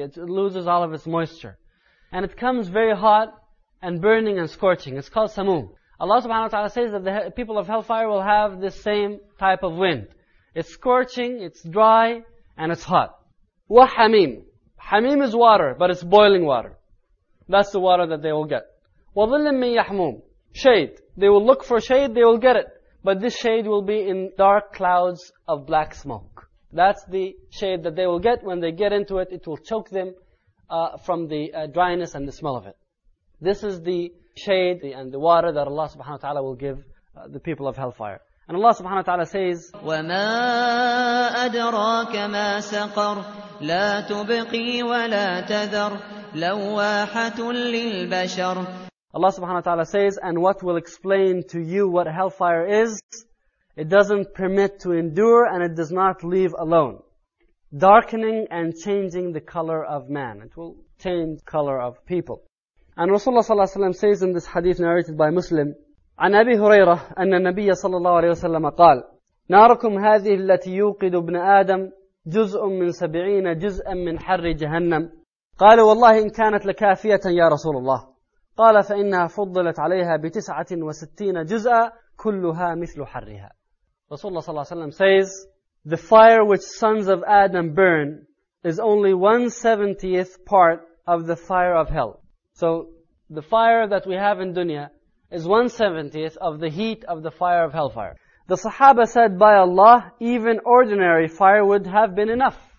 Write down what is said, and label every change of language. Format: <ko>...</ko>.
<en>It loses all of its moisture. And it comes very hot and burning and scorching. It's called Samum. Allah subhanahu wa ta'ala says that the people of hellfire will have this same type of wind. It's scorching, it's dry, and it's hot. وَحَمِيم Hamim is water, but it's boiling water. That's the water that they will get.</en> <ar>وَظِلِّم مِنْ يَحْمُوم Shade.</ar> <en>They will look for shade, they will get it. But this shade will be in dark clouds of black smoke. That's the shade that they will get. When they get into it, it will choke them. From the dryness and the smell of it. This is the shade and the water that Allah subhanahu wa ta'ala will give the people of hellfire. And Allah subhanahu wa ta'ala says,</en> <ar>وَمَا أَدْرَاكَ مَا سَقَرْ لَا تُبْقِي وَلَا تَذَرْ لَوَّاحَةٌ لِلْبَشَرْ</ar> <en>Allah subhanahu wa ta'ala says, and what will explain to you what hellfire is? It doesn't permit to endure and it does not leave alone. Darkening and changing the color of man. It will change the color of people. And Rasulullah sallallahu alayhi wa sallam says in this hadith narrated by Muslim,</en> <ar>عن أبي هريرة أن النبي صلى الله عليه وسلم قال ناركم هذه التي يوقد ابن آدم جزء من سبعين جزءا من حر جهنم قالوا والله إن كانت لكافية يا رسول الله قال فإنها فضلت عليها بتسعة وستين جزءا كلها مثل حرها.</ar> <en>Rasulullah صلى الله عليه وسلم says, the fire which sons of Adam burn is only 1/70th part of the fire of hell. So the fire that we have in dunya is 1/70th of the heat of the fire of hellfire. The Sahaba said, by Allah, even ordinary fire would have been enough.</en>